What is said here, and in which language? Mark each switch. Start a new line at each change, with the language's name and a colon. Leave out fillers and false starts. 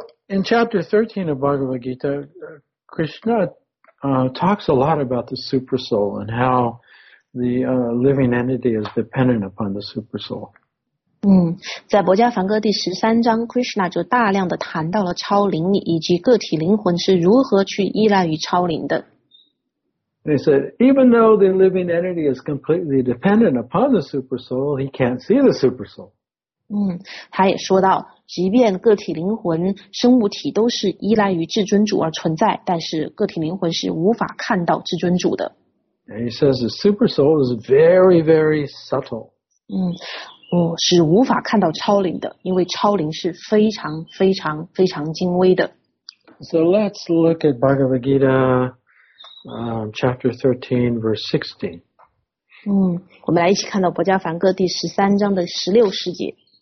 English: In chapter 13 of Bhagavad Gita, Krishna talks a lot about the super soul and how the living entity is dependent upon the super soul.
Chinese: 在博迦梵歌第十三章 ，Krishna 就大量的谈到了超灵以及个体灵魂是如何去依赖于超灵的。
English: He said, even though the living entity is completely dependent upon the super soul, he can't see the super soul.
Chinese: 他也说到，即便个体灵魂、生物体都是依赖于至尊主而存在，但是个体灵魂是无法看到至尊主的。
English: And he says the super soul is very, very subtle.
Chinese: 是无法看到超灵的，因为超灵是非常非常非常精微的。
English: So let's look at Bhagavad Gita, chapter 13, verse 16.
Chinese: 我们来一起看到《博迦梵歌》第十三章的十六十节。